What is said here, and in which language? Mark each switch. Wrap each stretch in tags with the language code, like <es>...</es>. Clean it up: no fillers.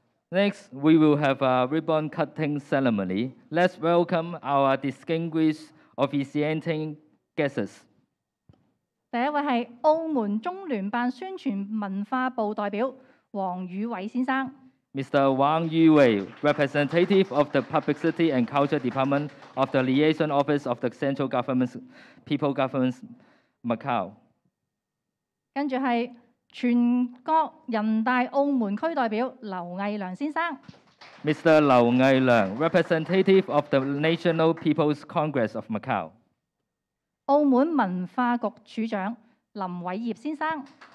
<en>Next, we will have a ribbon cutting ceremony. Let's welcome our distinguished officiating guests.</en> <zh>第一位是澳門中聯辦宣傳文化部代表黃宇偉先生。</zh> <en>Mr. Wang Yuwei, representative of the Publicity and Culture Department of the Liaison Office of the Central Government, People Government, Macau.</en> <zh>跟住是全國人大澳門區代表劉毅良先生。</zh> <en>Mr. 劉毅良, representative of the National People's Congress of Macau.</en> <zh>澳門文化局處長林偉業先生。</zh>